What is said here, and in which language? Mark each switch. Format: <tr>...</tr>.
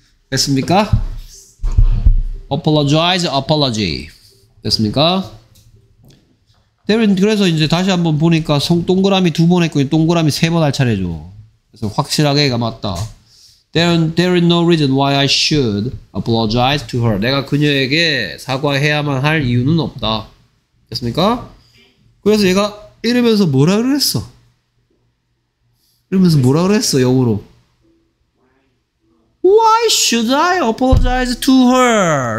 <ko>됐습니까? Apologize, apology. 됐습니까? 때문에 그래서 이제 다시 한번 보니까 동그라미 두 번 했고 동그라미 세 번 할 차례죠. 그래서 확실하게 얘가 맞다.</ko> <en>There is no reason why I should apologize to her.</en> <ko>내가 그녀에게 사과해야만 할 이유는 없다. 됐습니까? 그래서 얘가 이러면서 뭐라 그랬어? 이러면서 뭐라 그랬어 영어로?</ko> <en>Why should I apologize to her?</en>